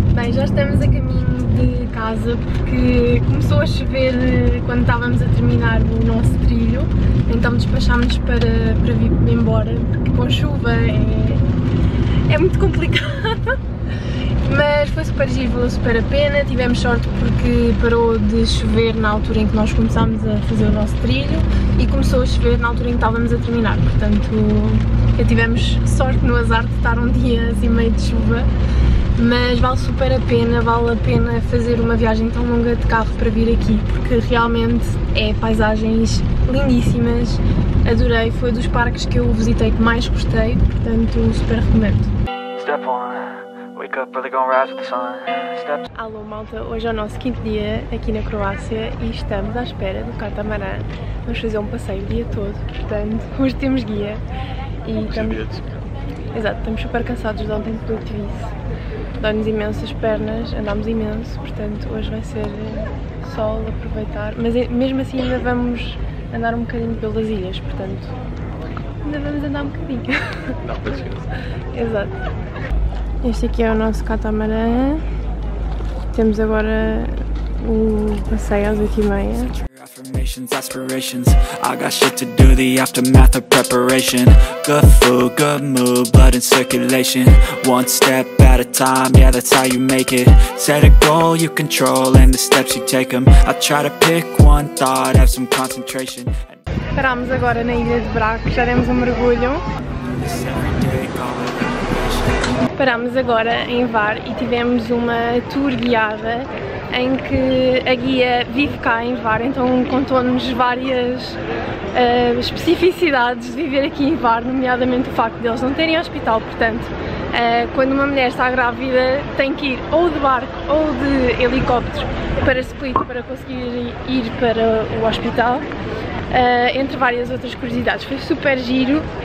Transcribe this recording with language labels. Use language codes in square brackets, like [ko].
[pt] Já estamos a caminho de casa porque começou a chover quando estávamos a terminar o nosso trilho, então despachámos para vir embora, porque com chuva é muito complicado, mas foi super giro, valeu super a pena, tivemos sorte porque parou de chover na altura em que nós começámos a fazer o nosso trilho e começou a chover na altura em que estávamos a terminar, portanto já tivemos sorte no azar de estar um dia assim meio de chuva. Mas vale a pena fazer uma viagem tão longa de carro para vir aqui, porque realmente é paisagens lindíssimas, adorei, foi dos parques que eu visitei que mais gostei, portanto super recomendo. [en] Step one, wake up, really gonna rise with the sun. [pt] Alô malta, hoje é o nosso 5º dia aqui na Croácia e estamos à espera do catamarã, vamos fazer um passeio o dia todo, portanto hoje temos guia e estamos... Exato, estamos super cansados de ontem tudo o que disse. Dói-nos imenso as pernas, andámos imenso, portanto hoje vai ser sol, aproveitar. Mas mesmo assim ainda vamos andar um bocadinho pelas ilhas, portanto ainda vamos andar um bocadinho. Não, mas... Exato. Este aqui é o nosso catamarã. Temos agora o passeio às 8h30. [en] Affirmations, aspirations, I got shit to do, the aftermath of preparation. Good food, good mood, blood in circulation. One step at a time, yeah, that's how you make it. Set a goal you control and the steps you take them. I try to pick one thought, have some concentration. [pt] Paramos agora na Ilha de Braco, já demos mergulho. Paramos agora em Var e tivemos uma tour guiada em que a guia vive cá em Var, então contou-nos várias especificidades de viver aqui em Var, nomeadamente o facto de eles não terem hospital, portanto, quando uma mulher está grávida tem que ir ou de barco ou de helicóptero para Split para conseguir ir para o hospital, entre várias outras curiosidades. Foi super giro.